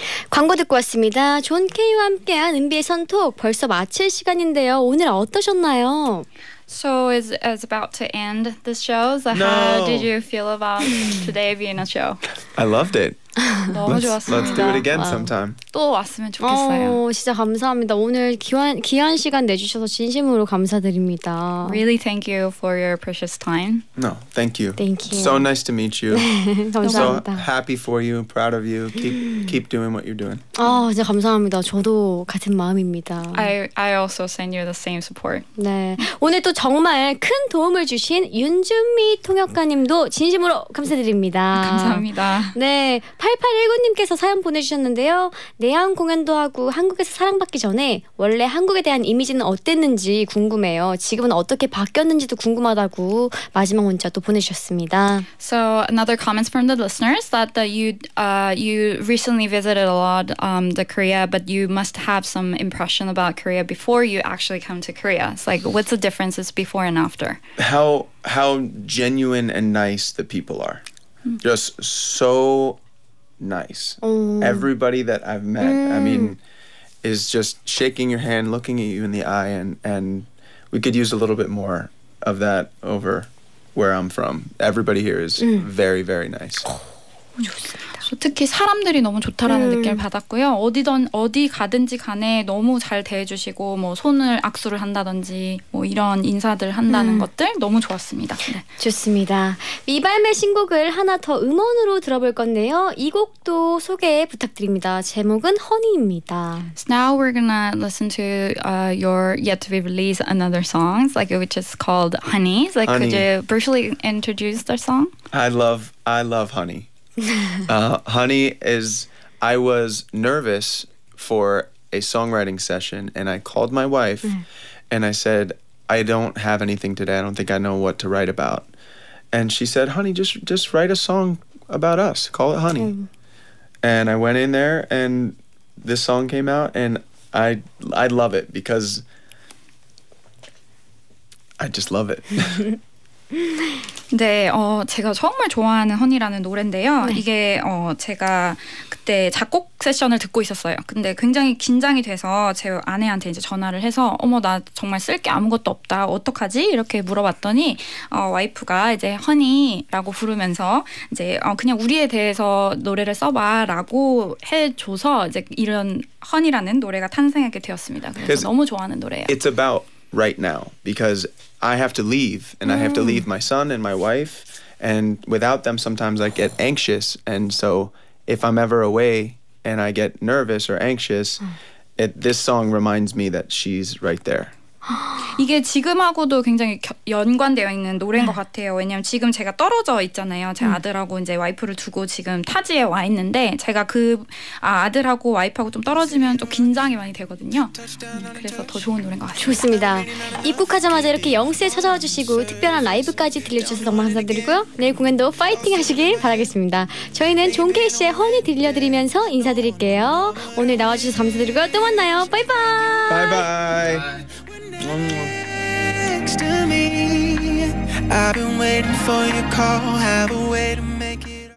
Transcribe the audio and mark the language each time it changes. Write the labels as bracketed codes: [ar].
[ko] 광고 듣고 왔습니다. 존 케이와 함께한 은비의 선톡 벌써 마칠 시간인데요. 오늘 어떠셨나요? [en] So is about to end the show. So no. How did you feel about today being a show? I loved it. [ko] 너무 좋았습니다. [en] Let's do it again sometime. [ko] 또 왔으면 좋겠어요. 진짜 감사합니다. 오늘 귀한 시간 내주셔서 진심으로 감사드립니다. [en] Really thank you for your precious time. No, thank you. Thank you. So nice to meet you. [ko] 감사합니다. [en] So happy for you, proud of you. Keep doing what you're doing. [ko] 진짜 감사합니다. 저도 같은 마음입니다. [en] I also send you the same support. [ko] 네. 오늘 또 정말 큰 도움을 주신 윤준미 통역가님도 진심으로 감사드립니다. 감사합니다. 네. 8819님께서 사연 보내주셨는데요. 내한 공연도 하고 한국에서 사랑받기 전에 원래 한국에 대한 이미지는 어땠는지 궁금해요. 지금은 어떻게 바뀌었는지도 궁금하다고 마지막 문자 또 보내주셨습니다. [en] So another comments from the listeners that you recently visited a lot the Korea, but you must have some impression about Korea before you actually come to Korea. It's like what's the differences before and after? How genuine and nice the people are. Just so nice. Everybody that I've met, I mean, is just shaking your hand, looking at you in the eye, and we could use a little bit more of that over where I'm from. Everybody here is very, very nice. [ko] 특히 사람들이 너무 좋다라는 느낌을 받았고요. 어디 가든지 간에 너무 잘 대해주시고 뭐 손을 악수를 한다든지 뭐 이런 인사들 한다는 것들 너무 좋았습니다. 네. 좋습니다. 미발매 신곡을 하나 더 음원으로 들어볼 건데요. 이 곡도 소개 부탁드립니다. 제목은 허니입니다. [en] So now we're gonna listen to your yet to be released another song, like which is called Honey. It's like Honey. Could you briefly introduce the song? I love Honey. Honey is, I was nervous for a songwriting session and I called my wife and I said, I don't have anything today. I don't think I know what to write about. And she said, Honey, just write a song about us. Call it Honey. And I went in there and this song came out and I love it because I just love it. [ko] 네, 제가 정말 좋아하는 허니라는 노래인데요. 네. 이게 제가 그때 작곡 세션을 듣고 있었어요. 근데 굉장히 긴장이 돼서 제 아내한테 이제 전화를 해서 어머 나 정말 쓸 게 아무것도 없다. 어떡하지? 이렇게 물어봤더니 와이프가 이제 허니라고 부르면서 이제 그냥 우리에 대해서 노래를 써봐라고 해줘서 이제 이런 허니라는 노래가 탄생하게 되었습니다. 그래서 너무 좋아하는 노래예요. [en] It's about right now because I have to leave and I have to leave my son and my wife and without them sometimes I get anxious and so if I'm ever away and I get nervous or anxious this song reminds me that she's right there. [ko] 이게 지금하고도 굉장히 연관되어 있는 노래인 것 같아요. 왜냐면 지금 제가 떨어져 있잖아요. 제 아들하고 이제 와이프를 두고 지금 타지에 와 있는데 제가 그 아들하고 와이프하고 좀 떨어지면 좀 긴장이 많이 되거든요. 그래서 더 좋은 노래인 것 같아요. 좋습니다. 입국하자마자 이렇게 영스에 찾아와 주시고 특별한 라이브까지 들려주셔서 너무 감사드리고요. 내일 공연도 파이팅 하시길 바라겠습니다. 저희는 존케이 씨의 허니 들려드리면서 인사드릴게요. 오늘 나와주셔서 감사드리고요. 또 만나요. 바이바이. [en] 바이바이. Next to me, I've been waiting for your call. Have a way to make it.